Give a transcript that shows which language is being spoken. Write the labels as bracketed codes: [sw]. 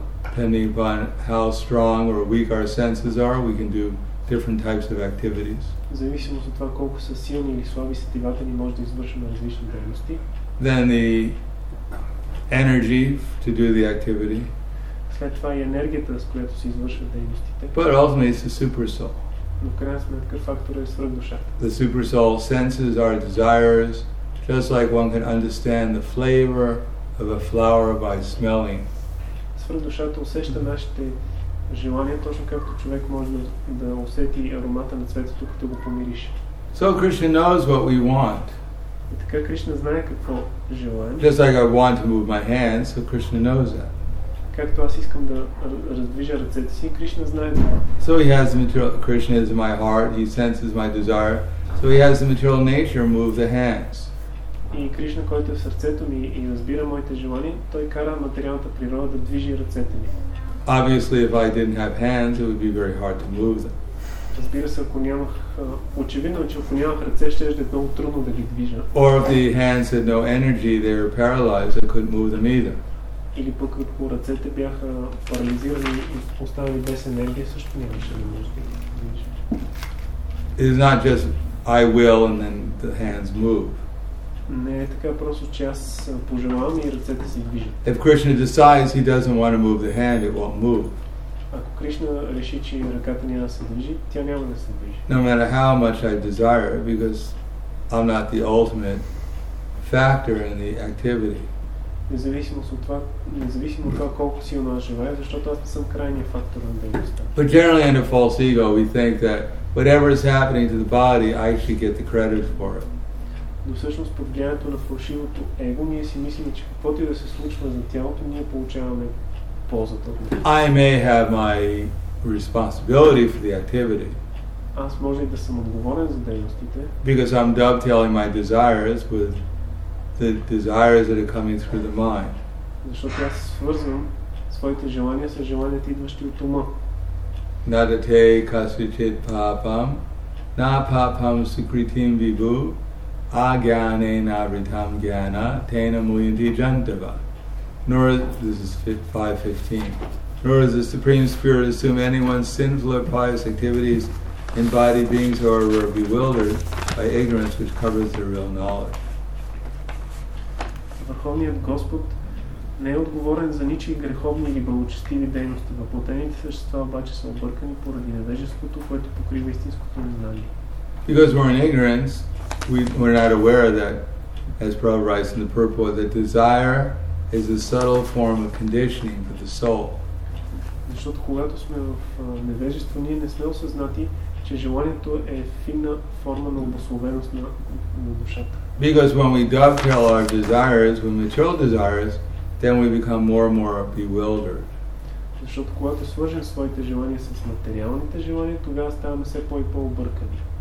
[en] Depending upon how strong or weak our senses are, we can do different types of activities. [bg] Зависимост от това колко са силни или слаби сетивата ни, може да извършваме различни дейности. [en] Then the energy to do the activity. [bg] След това и енергията, с която се извършват дейностите. [en] But ultimately it's the super soul. [bg] Но крайна сметка фактор е свръхдушата. [en] The super soul senses our desires, just like one can understand the flavor of a flower by smelling. [bg] Свръхдушата усеща нашите желания, точно както човек може да усети аромата на цветето, като го помириш. [en] So Krishna knows what we want. [bg] И така Кришна знае какво желаем. [en] Just like I want to move my hands, so Krishna knows that. [bg] Както аз искам да раздвижа ръцете си, Кришна знае това. [en] So he has the material, Krishna is in my heart, he senses my desire. So he has the material nature move the hands. [bg] И Кришна, който е в сърцето ми и разбира моите желания, той кара материалната природа да движи ръцете ми. [en] Obviously, if I didn't have hands, it would be very hard to move them. [bg] Разбира се, ако нямах, очевидно, че ако нямах ръце, щеше да е много трудно да ги движа. [en] Or if the hands had no energy, they were paralyzed, I couldn't move them either. [bg] Или пък ако ръцете бяха парализирани и оставени без енергия, също нямаше да може да ги движа. [en] It is not just I will and then the hands move. [bg] Не е така, просто че аз пожелавам и ръцете се движат. [en] If Krishna decides he doesn't want to move the hand, it won't move. [bg] Ако Кришна реши, че ръката няма да се движи, тя няма да се движи. [en] No matter how much I desire it, because I'm not the ultimate factor in the activity. [bg] Независимо от това колко силно аз желая, защото аз не съм крайният фактор на дейността. [en] But generally in a false ego, we think that whatever is happening to the body, I should get the credit for it. [bg] Но всъщност под влиянието на фалшивото его, ние си мислим, че каквото и да се случва за тялото, ние получаваме ползата. [en] I may have my responsibility for the activity. [bg] Аз може и да съм отговорен за дейностите. [en] Because I'm dovetailing my desires with the desires that are coming through the mind. [bg] Защото аз свързвам своите желания с желанията, идващи от ума. [sa] Nadate kasvichit papam, na papam sukritim vibhu, agyane navritam gyana, tena muyanti jantava. [en] Nor is, this is 5:15. Nor does the Supreme Spirit assume anyone's sinful or pious activities embodied beings who are bewildered by ignorance which covers their real knowledge. [bg] Върховният Господ не е отговорен за ничии греховни или благочестиви дейности. Въплътените същества обаче са объркани поради невежеството, което покрива истинското незнание. [en] Because we're in ignorance, we're not aware that, as Prabhupada writes in the purport, that desire is a subtle form of conditioning for the soul. [bg] Защото когато сме в невежество, ние не сме осъзнати, че желанието е финна форма на обословеност на душата. [en] Because when we dovetail our desires with material desires, then we become more and more bewildered. [bg] Защото когато свържем своите желания с материалните желания, тогава ставаме все по и по объркани.